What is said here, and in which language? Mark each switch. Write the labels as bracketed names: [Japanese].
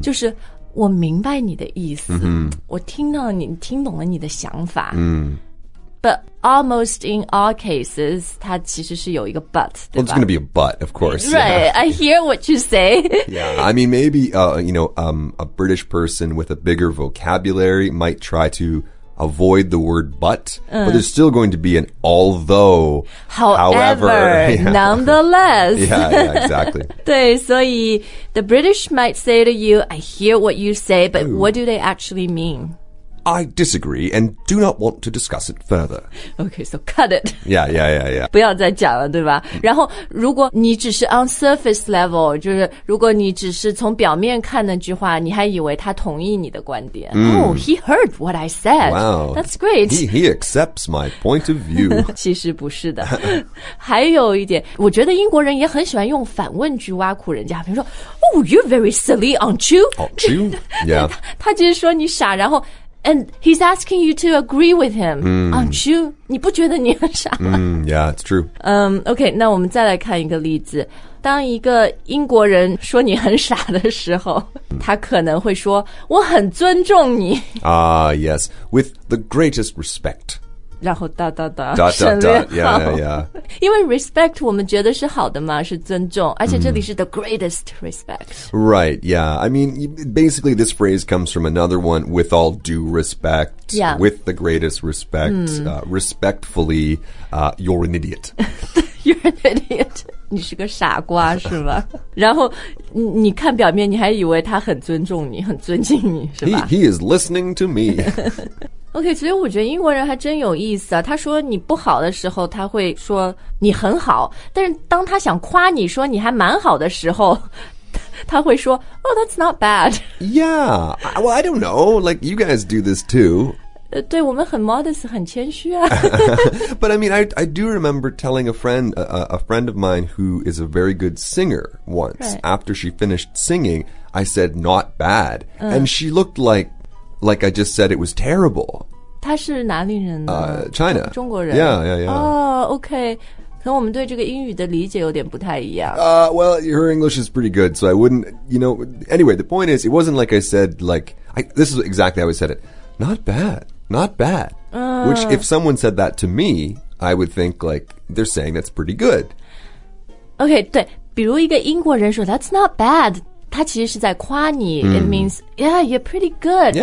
[Chinese] 就是我明白你的意思、mm-hmm. 我听到你听懂了你的想法、 mm. [English] But almost in all cases, [Chinese] 它其实是有一个 but, 对吧 [English] Well, it's going to be a but, of course. Right,、 yeah. I hear what you say. Yeah, I mean, maybe, you know, a British person with a bigger vocabulary might try to avoid the word but,、mm. but there's still going to be an although, however, nonetheless. yeah, exactly. [Chinese] 对，所以 [English] the British might say to you, I hear what you say, but、Ooh. What do they actually mean? I disagree and do not want to discuss it further. Okay, so cut it. Yeah. [Chinese] 不要再讲了，对吧？然后如果你只是 [English] on surface level, [Chinese] 就是如果你只是从表面看那句话，你还以为他同意你的观点。 [English] Oh, he heard what I said. Wow. That's great. He accepts my point of view. [Chinese] 其实不是的。还有一点，我觉得英国人也很喜欢用反问句挖苦人家，比如说 [English] Oh, you're very silly, aren't you? Aren't you? Yeah. [Chinese] 他就是说你傻，然后 [English] And he's asking you to agree with him, aren't you? [Chinese] 你不觉得你很傻吗？ [English] Yeah, it's true. [Chinese] Okay, 那我们再来看一个例子。当一个英国人说你很傻的时候，他可能会说，我很尊重你。 [English] Yes, with the greatest respect. [Chinese] 然后哒哒哒，省略号。Yeah. 因为 respect 我们觉得是好的嘛，是尊重，而且这里是 [English] the greatest respect. Right, yeah. I mean, basically this phrase comes from another one, with all due respect. Yeah. With the greatest respect. Respectfully, you're an idiot. You're an idiot. [Chinese] 你是个傻瓜是吧？然后你看表面你还以为他很尊重你，很尊敬你是吧？ [English] He is listening to me. [Chinese] OK, 所以我觉得英国人还真有意思啊。他说你不好的时候他会说你很好，但是当他想夸你说你还蛮好的时候，他会说 [English] Oh, that's not bad. Yeah, well, I don't know. Like, you guys do this too. [Chinese] 对，我们很 modest, 很谦虚啊。 [English] But I mean, I do remember telling a friend of mine who is a very good singer once. Right. After she finished singing, I said, not bad. And she looked like I just said it was terrible. [Chinese] 他是哪里人呢？ [English] China. [Chinese] 中国人。 [English] Yeah. Oh, okay. [Chinese] 可能我们对这个英语的理解有点不太一样。 [English] Well, her English is pretty good, so I wouldn't, you know, anyway, the point is, it wasn't like I said, like, this is exactly how I said it. Not bad. Which, if someone said that to me, I would think, like, they're saying that's pretty good. [Chinese] Okay, 对，比如一个英国人说 [English] that's not bad, [Chinese] 他其实是在夸你、 [English] It means, yeah, you're pretty good,